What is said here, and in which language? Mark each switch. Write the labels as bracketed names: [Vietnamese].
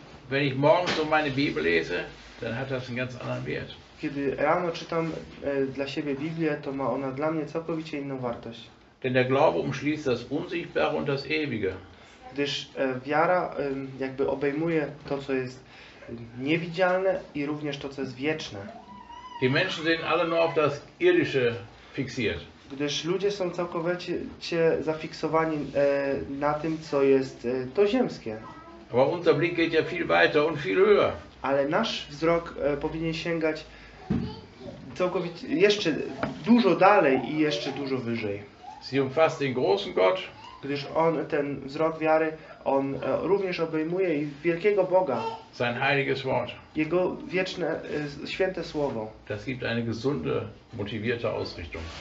[German] Wenn ich morgens so meine Bibel lese, dann hat das einen ganz anderen Wert. [Polish] Kiedy rano czytam dla siebie Biblię, to ma ona dla mnie całkowicie inną wartość. [German] Denn der Glaube umschließt das Unsichtbare und das Ewige. [Polish] Gdyż wiara jakby obejmuje to, co jest niewidzialne i również to, co jest wieczne. [German] Die Menschen sind alle nur auf das Irdische fixiert. [Polish] Gdyż ludzie są całkowicie zafiksowani na tym, co jest to ziemskie. [German] Aber unser Blick geht ja viel weiter und viel höher. [Polish] Ale nasz wzrok powinien sięgać całkowicie jeszcze dużo dalej i jeszcze dużo wyżej. [German] Sie umfasst den großen Gott. [Polish] Gdyż on, ten wzrok wiary, on również obejmuje i wielkiego Boga. [German] Sein heiliges Wort. [Polish] Jego wieczne, święte słowo. [German] Das gibt eine gesunde, motivierte Ausrichtung.